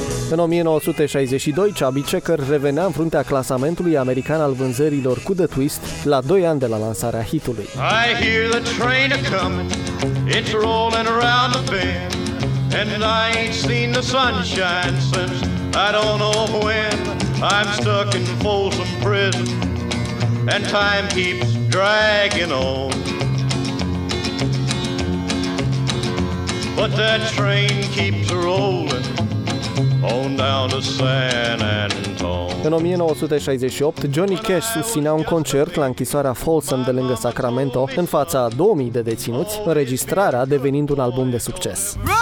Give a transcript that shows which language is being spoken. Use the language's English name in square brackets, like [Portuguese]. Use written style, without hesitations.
[Romanian] În 1962, Chubby Checker revenea în fruntea clasamentului american al vânzărilor cu The Twist la 2 ani de la lansarea hitului. [English] I hear the train a-comin', it's rollin' around the bend, and I ain't seen the sunshine since I don't know when. I'm stuck in Folsom prison, and time keeps dragging on. But that train keeps rollin' on down to San Antonio. [Romanian] În 1968, Johnny Cash susținea un concert la închisoarea Folsom de lângă Sacramento în fața 2000 de deținuți, înregistrarea devenind un album de succes.